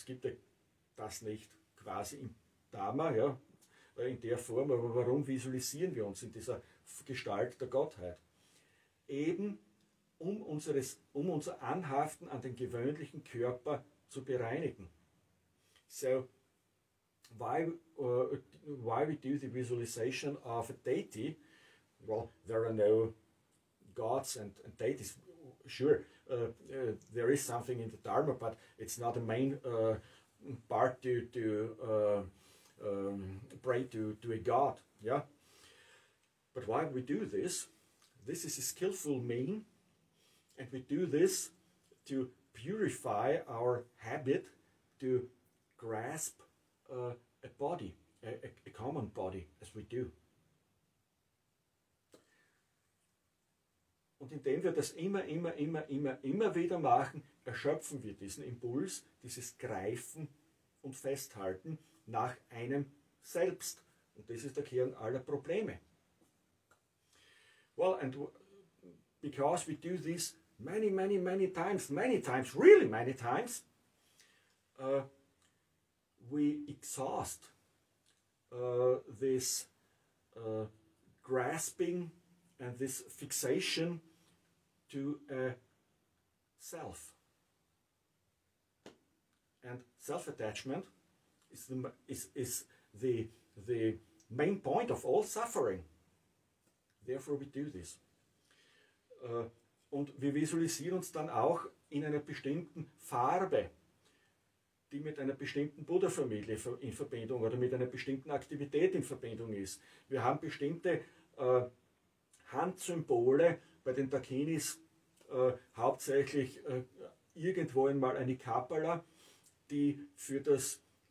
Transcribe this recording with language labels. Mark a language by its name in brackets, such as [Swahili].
[German] Es gibt ja das nicht quasi im Dharma, ja, in der Form, aber warum visualisieren wir uns in dieser Gestalt der Gottheit? Eben, um unser Anhaften an den gewöhnlichen Körper zu bereinigen. [English] So, why we do the visualization of a deity? Well, there are no gods and deities. Sure, there is something in the Dharma, but it's not a main part to pray to a god. Yeah, but why we do this? This is a skillful mean, and we do this to purify our habit to grasp a body, a common body, as we do. [German] Und indem wir das immer wieder machen, erschöpfen wir diesen Impuls, dieses Greifen und Festhalten nach einem Selbst. Und das ist der Kern aller Probleme. [English] Well, and because we do this many, many, many times, really many times, we exhaust this grasping and this fixation to a self. And self-attachment is the main point of all suffering. Therefore we do this. [German] Und wir visualisieren uns dann auch in einer bestimmten Farbe, die mit einer bestimmten Buddha-Familie in Verbindung oder mit einer bestimmten Aktivität in Verbindung ist. Wir haben bestimmte Handsymbole bei den Dakinis, hauptsächlich irgendwo einmal eine Kapala, die für das